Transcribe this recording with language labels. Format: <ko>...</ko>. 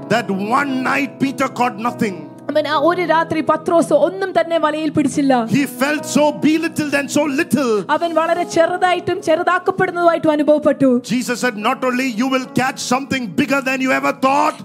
<en>That one night, Peter caught nothing.</en> <ml>അവന് ആ ഒരു രാത്രി പത്രോസ് ഒന്നും തന്നെ വലയിൽ പിടിച്ചില്ല.</ml> <en>He felt so belittled and so little.</en> <ml>അവൻ വളരെ ചെറുതായിട്ടും ചെറുതാക്കപ്പെടുന്നതായിട്ടും അനുഭവപ്പെട്ടു.</ml> <en>Jesus said, not only you will catch something bigger than you ever thought.</en>